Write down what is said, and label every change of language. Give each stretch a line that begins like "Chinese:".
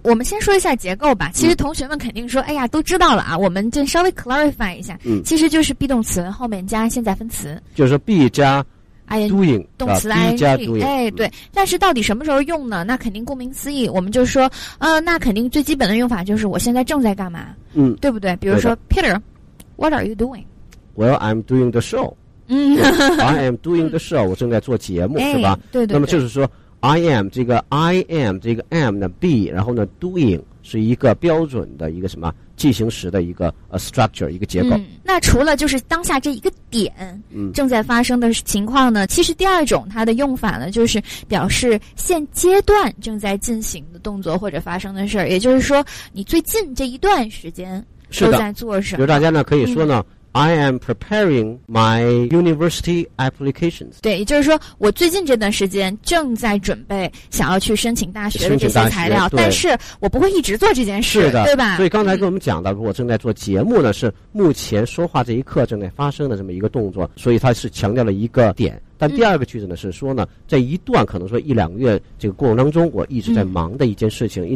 Chinese: 我们先说一下结构吧，其实同学们肯定说哎呀都知道了啊，我们就稍微 clarify 一下。其实就是 be 动词后面加现在分词，就是 be 加 doing 动词 be 加 doing。对，但是到底什么时候用呢？那肯定顾名思义，我们就说那肯定最基本的用法就是我现在正在干嘛，对不对？比如说
English: Peter what are you doing？ Well I'm doing the show。 I am doing the show。
Chinese: 我正在做节目，是吧？对对。那么就是说I am 这个 am 的 be， 然后呢 doing 是一个标准的一个什么进行时的一个structure 一个结构。那除了就是当下这一个点正在发生的情况呢，其实第二种它的用法呢，就是表示现阶段正在进行的动作或者发生的事儿，也就是说你最近这一段时间都在做什么。比如大家呢可以说呢
English: I am preparing my university applications。
Chinese: 对，也就是说我最近这段时间正在准备想要去申请大学的这些材料，但是我不会一直做这件事。是的，对吧？所以刚才跟我们讲的如果正在做节目呢，是目前说话这一刻正在发生的这么一个动作，所以它是强调了一个点。但第二个句子呢，是说呢在一段可能说一两个月这个过程当中我一直在忙的一件事情。